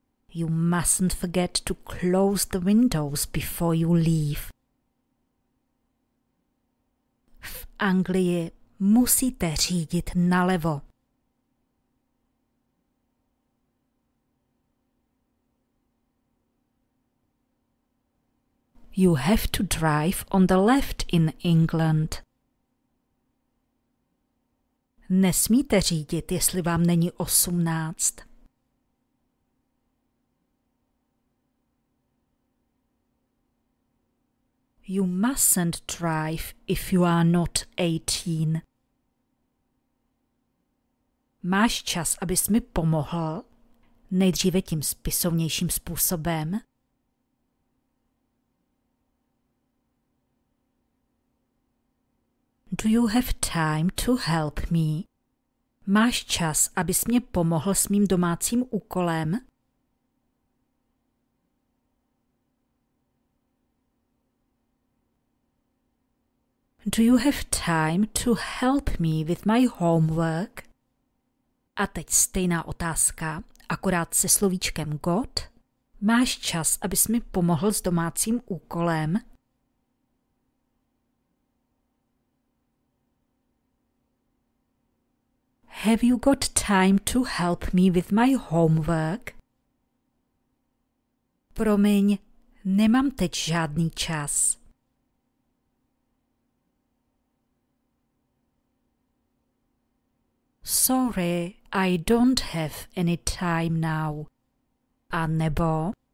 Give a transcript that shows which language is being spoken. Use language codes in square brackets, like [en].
[en] You mustn't forget to close the windows before you leave. [cs] V Anglii musíte řídit nalevo. [en] You have to drive on the left in England. [cs] Nesmíte řídit, jestli vám není 18. [en] You mustn't drive if you are not 18. [cs] Máš čas, abys mi pomohl? Nejdříve tím spisovnějším způsobem. [en] Do you have time to help me? [cs] Máš čas, abys mě pomohl s mým domácím úkolem? [en] Do you have time to help me with my homework? [cs] A teď stejná otázka, akorát se slovíčkem got. Máš čas, abys mi pomohl s domácím úkolem? [en] Have you got time to help me with my homework? [cs] Promiň, nemám teď žádný čas. [en] Sorry, I don't have any time now. [cs] A nebo?